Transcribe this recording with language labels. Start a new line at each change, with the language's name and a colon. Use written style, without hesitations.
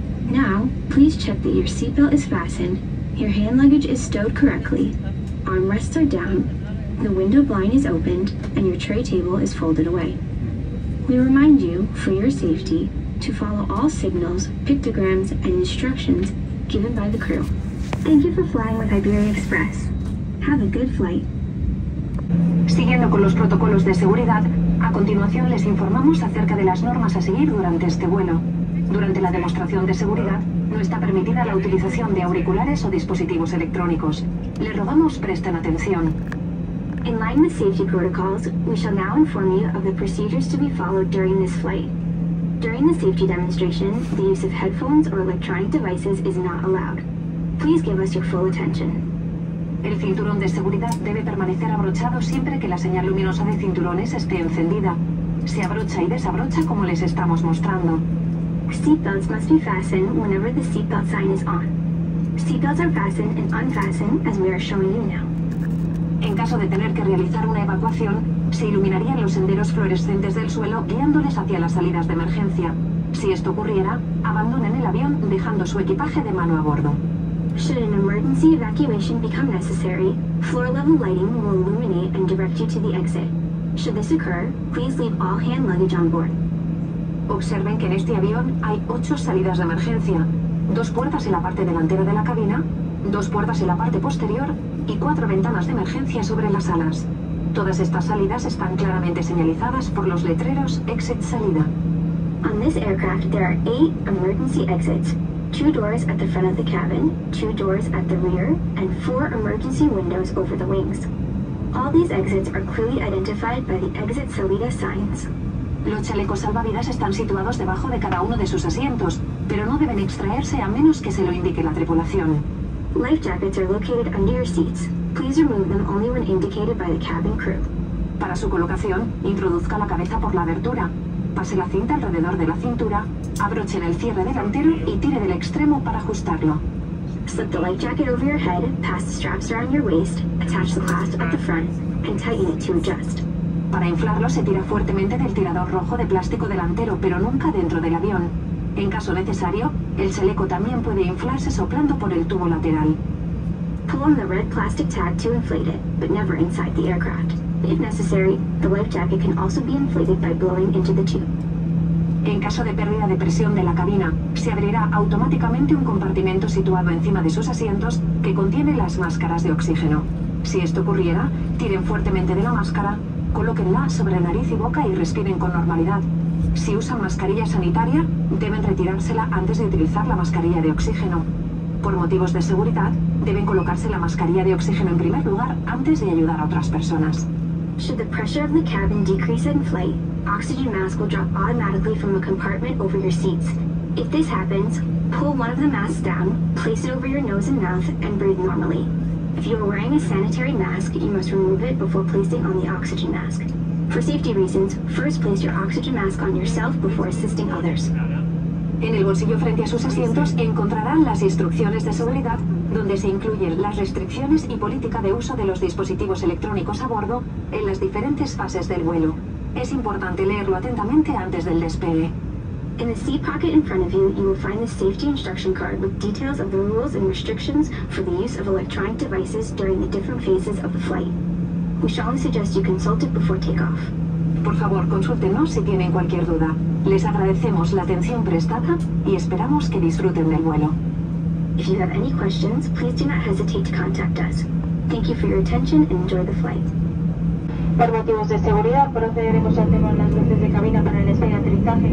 English: Now, please check that your seatbelt is fastened, your hand luggage is stowed correctly, armrests are down, the window blind is opened, and your tray table is folded away. We remind you, for your safety, to follow all signals, pictograms, and instructions given by the crew. Thank you for flying with Iberia Express. Have a good flight.
Spanish: Siguiendo con los protocolos de seguridad, a continuación les informamos acerca de las normas a seguir durante este vuelo. Durante la demostración de seguridad, no está permitida la utilización de auriculares o dispositivos electrónicos. Le rogamos presten atención.
English: In line with safety protocols, we shall now inform you of the procedures to be followed during this flight. During the safety demonstration, the use of headphones or electronic devices is not allowed. Please give us your full attention.
Spanish: El cinturón de seguridad debe permanecer abrochado siempre que la señal luminosa de cinturones esté encendida. Se abrocha y desabrocha como les estamos mostrando.
English: Seatbelts must be fastened whenever the seatbelt sign is on. Seatbelts are fastened and unfastened as we are showing you now.
Spanish: En caso de tener que realizar una evacuación, se iluminarían los senderos fluorescentes del suelo guiándoles hacia las salidas de emergencia. Si esto ocurriera, abandonen el avión dejando su equipaje de mano a bordo.
English: Should an emergency evacuation become necessary, floor level lighting will illuminate and direct you to the exit. Should this occur, please leave all hand luggage on board.
Spanish: Observen que en este avión hay 8 salidas de emergencia, 2 puertas en la parte delantera de la cabina, 2 puertas en la parte posterior y 4 ventanas de emergencia sobre las alas. Todas estas salidas están claramente señalizadas por los letreros Exit Salida.
English: On this aircraft there are 8 emergency exits, 2 doors at the front of the cabin, 2 doors at the rear and 4 emergency windows over the wings. All these exits are clearly identified by the Exit Salida signs.
Spanish: Los chalecos salvavidas están situados debajo de cada uno de sus asientos, pero no deben extraerse a menos que se lo indique la tripulación.
English: Life jackets are located under your seats. Please remove them only when indicated by the cabin crew.
Spanish: Para su colocación, introduzca la cabeza por la abertura, pase la cinta alrededor de la cintura, abroche el cierre delantero y tire del extremo para ajustarlo.
English: Slip the life jacket over your head, pass the straps around your waist, attach the clasp at the front, and tighten it to adjust.
Spanish: Para inflarlo se tira fuertemente del tirador rojo de plástico delantero, pero nunca dentro del avión. En caso necesario, el chaleco también puede inflarse soplando por el tubo lateral.
English: Pull on the red plastic tag to inflate it, but never inside the aircraft. If necessary, the life jacket can also be inflated by blowing into the tube.
Spanish: En caso de pérdida de presión de la cabina, se abrirá automáticamente un compartimento situado encima de sus asientos que contiene las máscaras de oxígeno. Si esto ocurriera, tiren fuertemente de la máscara, colóquenla sobre nariz y boca y respiren con normalidad. Si usan mascarilla sanitaria, deben retirársela antes de utilizar la mascarilla de oxígeno. Por motivos de seguridad, deben colocarse la mascarilla de oxígeno en primer lugar antes de ayudar a otras personas.
English: Should the pressure of the cabin decrease in flight, oxygen masks will drop automatically from a compartment over your seats. If this happens, pull one of the masks down, place it over your nose and mouth, and breathe normally. If you are wearing a sanitary mask, you must remove it before placing on the oxygen mask. For safety reasons, first place your oxygen mask on yourself before assisting others.
Spanish: En el bolsillo frente a sus asientos encontrarán las instrucciones de seguridad, donde se incluyen las restricciones y política de uso de los dispositivos electrónicos a bordo en las diferentes fases del vuelo. Es importante leerlo atentamente antes del despegue.
English: In the seat pocket in front of you, you will find the safety instruction card with details of the rules and restrictions for the use of electronic devices during the different phases of the flight. We strongly suggest you consult it before takeoff.
Spanish: Por favor, consúltenos si tienen cualquier duda. Les agradecemos la atención prestada y esperamos que disfruten del vuelo.
English: If you have any questions, please do not hesitate to contact us. Thank you for your attention and enjoy the flight.
Spanish: Por motivos de seguridad, procederemos al tema de las luces de cabina para el despegue y aterrizaje.